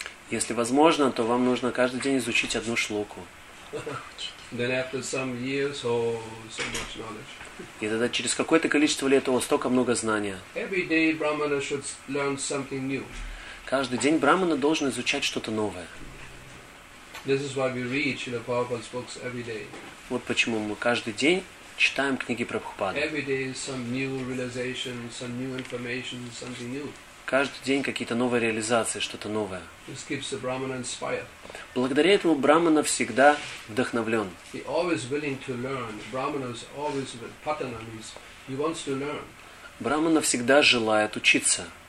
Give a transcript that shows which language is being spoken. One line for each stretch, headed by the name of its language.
Russian: Если возможно, то вам нужно каждый день изучить одну шлоку.
English: Then after some years, so much knowledge.
Russian: И тогда через какое-то количество лет у вас столько много знания.
English: Every day, Brahmana should learn something new.
Russian: Каждый день брахмана должен изучать что-то новое.
English: This is why we read Srila Prabhupada's books every day.
Russian: Вот почему мы каждый день читаем книги Прабхупады.
English: Every day is some new realization, some new information, something new.
Russian: Каждый день какие-то новые реализации, что-то новое.
English: This keeps the brahmana inspired.
Russian: Благодаря этому брахмана всегда вдохновлен.
English: He always willing to learn. Brahmana is always with patana means he wants to learn.
Russian: Брахмана всегда желает учиться.